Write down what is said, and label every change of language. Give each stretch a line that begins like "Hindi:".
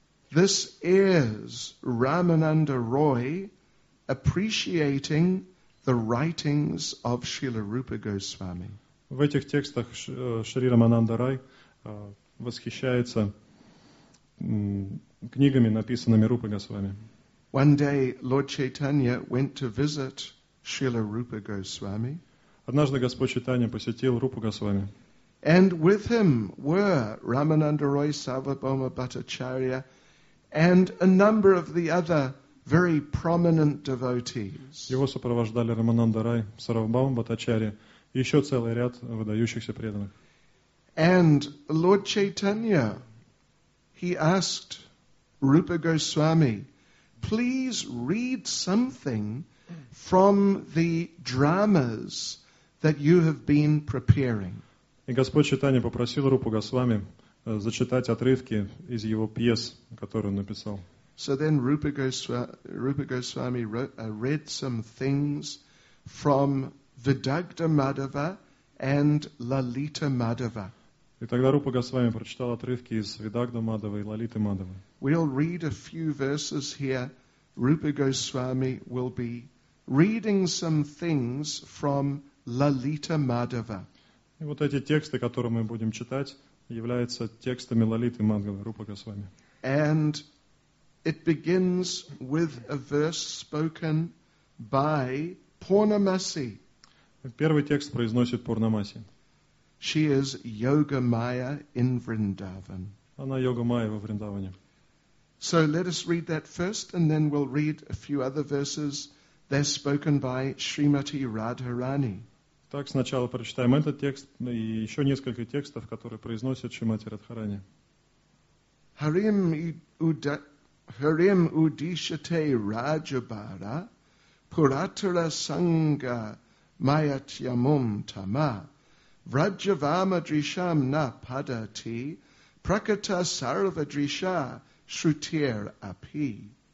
English: This is Ramananda Roy appreciating the writings of Srila Rupa Goswami.
Russian: В этих текстах Шри Рамананда Рай восхищается книгами, написанными Рупа Госвами.
English: One day Lord Chaitanya went to visit Srila Rupa Goswami.
Russian: Однажды Господь Чайтанья посетил Рупу Госвами.
English: And with him were Ramananda Roy, Sarvabhauma Bhattacharya, and a number of the other very prominent devotees.
Russian: Его сопровождали Рамананда Рай, Сарвабхаума Бхаттачарья и еще целый ряд выдающихся преданных.
English: And Lord Chaitanya, he asked Rupa Goswami, please read something from the dramas that you have been preparing.
Russian: И Господь Чайтанья попросил Рупу Госвами зачитать отрывки из его пьес, которые он написал.
English: So then Rupa Goswami read some things from Vidagdha Madhava and Lalita Madhava.
Russian: И тогда Рупа Госвами прочитал отрывки из Видагдха Мадхавы и Лалиты Мадхавы.
English: We'll read a few verses here. Rupa Goswami will be reading some things from Lalita Madhava.
Russian: И вот эти тексты, которые мы будем читать, являются текстами Лалиты Мадхавы, Рупа Госвами.
English: And it begins with a verse spoken by Purnamasi.
Russian: Первый текст произносит Пурнамаси.
English: She is Yoga Maya in Vrindavan.
Russian: Она Йога Майя во Вриндаване.
English: So let us read that first, and then we'll read a few other verses. They're spoken by Srimati Radharani.
Russian: Так, сначала прочитаем этот текст и еще несколько текстов, которые произносит Шримати Радхарани.
Sanskrit: Харим удишате Раджабара Пуратара Санга Майатьямум Тама Vrajavama drisham na padati prakata sarva drisha shrutir api.